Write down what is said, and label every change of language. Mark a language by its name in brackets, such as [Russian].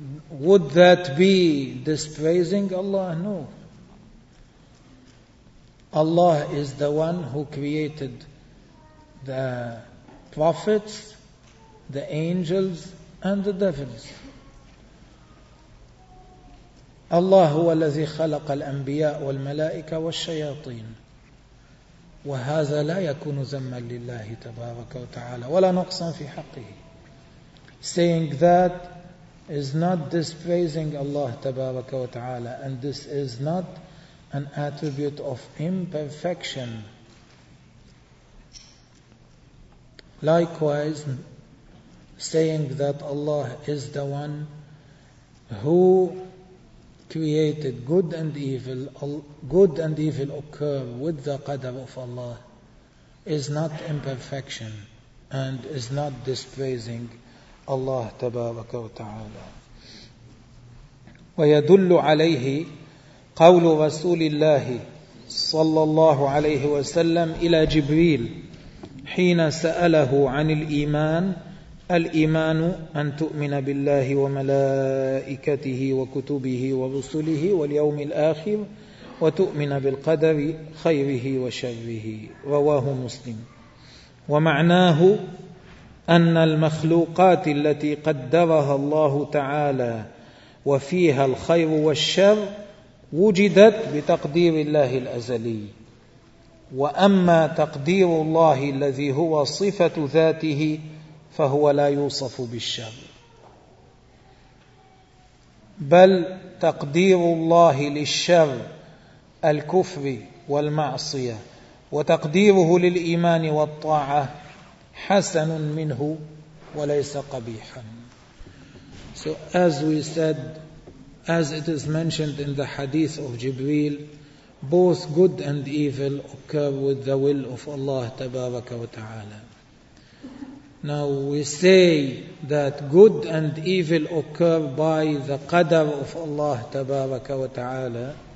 [English] Would that be displeasing Allah? No. Allah is the one who created the prophets, the angels and the devils. [Arabic] Allah هو الذي خلق الأنبياء والملائكة والشياطين. وهذا لا يكون ذما لله تبارك وتعالى ولا نقصا في حقه. [English] Saying that is not displeasing Allah تبارك وتعالى, and this is not an attribute of imperfection. Likewise, saying that Allah is the one who created good and evil, good and evil occur with the qadr of Allah, is not imperfection and is not displeasing Allah tabaraka wa ta'ala. [Arabic] وَيَدُلُّ عَلَيْهِ قَوْلُ رَسُولِ اللَّهِ صَلَّى اللَّهُ عَلَيْهِ وَسَلَّمْ إِلَى جِبْرِيلِ حِينَ سَأَلَهُ عَنِ الْإِيمَانِ الإيمان أن تؤمن بالله وملائكته وكتبه ورسله واليوم الآخر وتؤمن بالقدر خيره وشره, رواه مسلم. ومعناه أن المخلوقات التي قدرها الله تعالى وفيها الخير والشر وجدت بتقدير الله الأزلي, وأما تقدير الله الذي هو صفة ذاته فهو لا يوصف بالشر, بل تقدير الله للشر الكفر والمعصية وتقديره للإيمان والطاعة حسن منه وليس قبيحا. [English] So as we said, as it is mentioned in the hadith of Jibreel, both good and evil occur with the will of Allah تبارك وتعالى. Now we say that good and evil occur by the qadr of Allah tabaraka wa ta'ala.